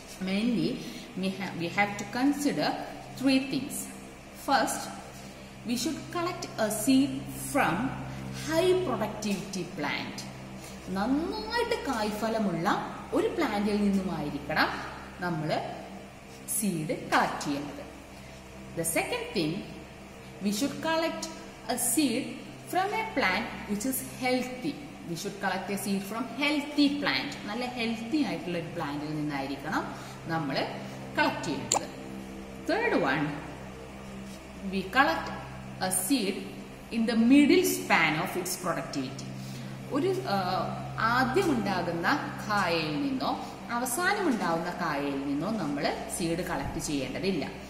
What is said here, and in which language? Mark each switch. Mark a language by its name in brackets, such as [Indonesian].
[English] Mainly we have to consider three things. First, we should collect a seed from high productivity plant. [Malayalam] നന്നായിട്ട് കായ്ഫലമുള്ള ഒരു പ്ലാന്റിൽ നിന്നുമായിരിക്കണം നമ്മൾ seed collect ചെയ്യേണ്ടത്. [English] The second thing, we should collect a seed from a plant which is healthy. We should collect a seed from healthy plant. [Malayalam] നല്ല healthy ആയിട്ടുള്ള ഒരു പ്ലാന്റിൽ നിന്നായിരിക്കണം നമ്മൾ കളക്ട് ചെയ്യേണ്ടത്. [English] Third one, we collect a seed in the middle span of its productivity. [Malayalam] ഒരു ആദ്യം ഉണ്ടാകുന്ന കായയിൽ നിന്നോ അവസാനം ഉണ്ടാകുന്ന കായയിൽ നിന്നോ നമ്മൾ സീഡ് കളക്ട് ചെയ്യേണ്ടതില്ല.